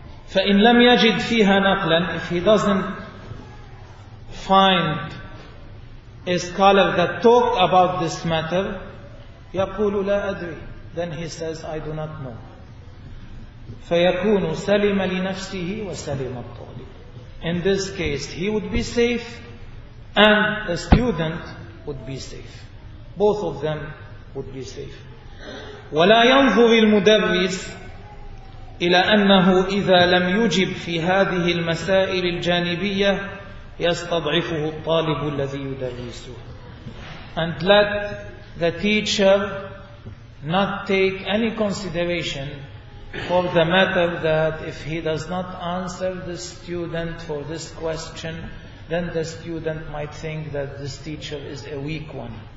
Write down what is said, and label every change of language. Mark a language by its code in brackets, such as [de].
[ar] فَإِنْ لَمْ يَجِدْ فِيهَا نَقْلًا, [en] if he doesn't find a scholar that talk about this matter, [ar] يَقُولُ لَا أَدْرِي, [en] then he says, I do not know. [ar] فَيَكُونُ سَلِمَ لِنَفْسِهِ وَسَلِمَ الطَّالِبِ, [en] in this case, he would be safe and the student would be safe. Both of them would be safe. [ar] وَلَا يَنْظُرِ الْمُدَرِّسِ إلى أنه إذا لم يجب في هذه المسائل الجانبية يستضعفه الطالب الذي يدرسه. [en] And let the teacher not take any consideration for the matter that if he does not answer the student for this question, then the student might think that this teacher is a weak one.